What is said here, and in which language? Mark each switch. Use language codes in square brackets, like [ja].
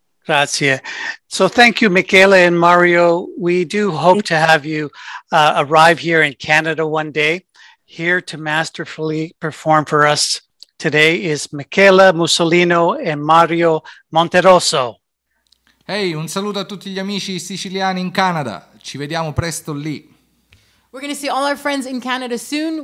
[it] Grazie. [en] So thank you, Michela and Mario. We do hope to have you arrive here in Canada one day. Here to masterfully perform for us today is Michela Musolino and Mario Monterosso. [it] Hey, un saluto a tutti gli amici siciliani in Canada. Ci vediamo presto lì. [en] We're going to see all our friends in Canada soon.